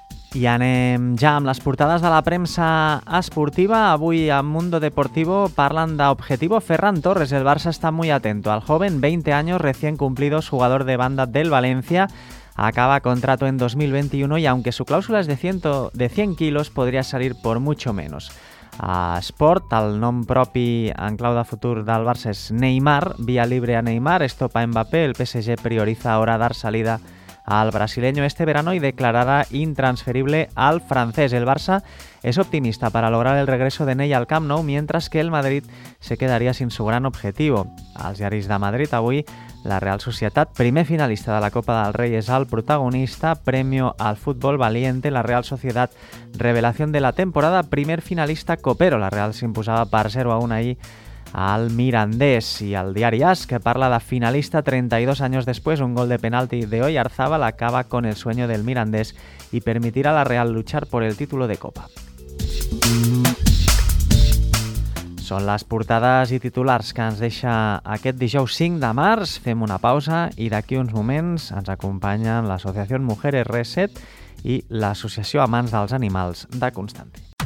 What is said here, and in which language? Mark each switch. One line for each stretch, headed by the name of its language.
Catalan: I anem ja amb les portades de la premsa esportiva. Avui a Mundo Deportivo parlen d'Objetivo Ferran Torres.
Spanish: El Barça
Catalan: està
Spanish: muy atento al joven, 20 años recién cumplidos, jugador de banda del Valencia. Acaba contrato en 2021 y aunque su cláusula es de 100 kilos, podría salir por mucho menos.
Catalan: A Sport, el nom propi en clau de futur del Barça és Neymar.
Spanish: Vía libre a Neymar, stop a Mbappé. El PSG prioriza ahora dar salida al brasileño este verano y declarará intransferible al francés. El Barça es optimista para lograr el regreso de Ney al Camp Nou, mientras que el Madrid se quedaría sin su gran objetivo.
Catalan: Als diaris de Madrid, avui, la Real Societat, primer finalista de la Copa del Rei, és el protagonista.
Spanish: Premio al fútbol valiente, la Real Societat, revelación de la temporada, primer finalista copero.
Catalan: La Real s'imposava per 0-1 ahir al Mirandés.
Spanish: Y al diario AS, que
Catalan: parla de
Spanish: finalista 32 años después, un gol de penalti de Oyarzabal acaba con el sueño del Mirandés y permitirá a la Real luchar por el título de Copa.
Catalan: Són les portades i titulars que ens deixa aquest dijous 5 de març. Fem una pausa i d'aquí uns moments ens acompanyen l'Associació Mujeres Reset i l'Associació Amants dels Animals de Constantí.